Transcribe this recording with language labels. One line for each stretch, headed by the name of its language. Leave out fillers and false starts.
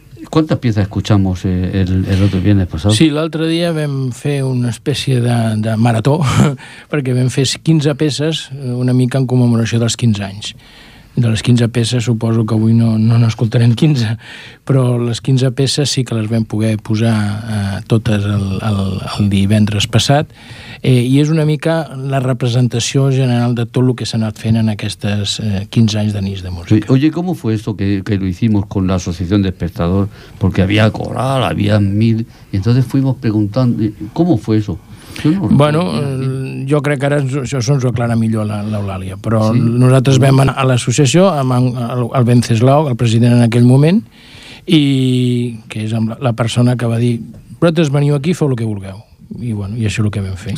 Spanish: ¿Cuántas piezas escuchamos el otro viernes pasado?
Catalan: Sí, l'altre dia vam fer una espècie de marató, perquè vam fer 15 peces, una mica en commemoració dels 15 anys. De les 15 peces suposo que avui no n'escoltarem 15, però les 15 peces sí que les vam poder posar totes el divendres passat, i és una mica la representació general de tot el que s'ha anat fent en aquestes 15 anys de Nis de Música.
Spanish: Oye, ¿cómo fue esto que lo hicimos con la Asociación de Espectador? Porque había coral, había mil, y entonces fuimos preguntando, ¿cómo fue eso?
Catalan: Bueno, jo crec que ara això se'ns ho aclara millor l'Eulàlia, però sí. Nosaltres vam anar a l'associació amb el Venceslau, el president en aquell moment, i que és amb la persona que va dir: vosaltres veniu aquí, feu el que vulgueu. I bueno, i això és el que vam fer.